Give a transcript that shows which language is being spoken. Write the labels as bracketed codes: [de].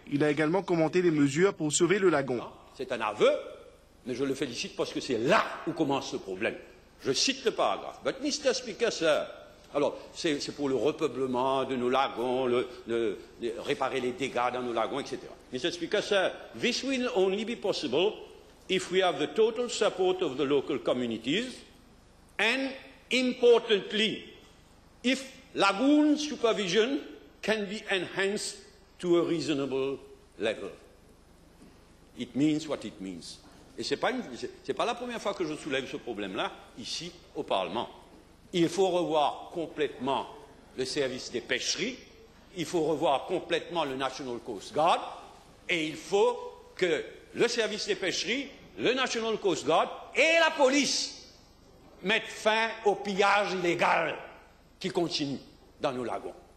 [fr] Il a également commenté les mesures pour sauver le lagon. C'est un aveu, mais je le félicite parce que c'est là où commence le problème. Je cite le paragraphe. [en] But Mr. Speaker, sir, [fr] alors c'est pour le repeuplement de nos lagons, réparer les dégâts dans nos lagons, etc. [en] Mr. Speaker, sir, this will only be possible if we have the total support of the local communities, and importantly, if lagoon supervision can be enhanced to a reasonable level. It means what it means. [fr] Et ce n'est pas la première fois que je soulève ce problème-là, ici, au Parlement. Il faut revoir complètement le service des pêcheries, il faut revoir complètement le National Coast Guard, et il faut que le service des pêcheries, le National Coast Guard et la police mettent fin au pillage illégal qui continue dans nos lagons.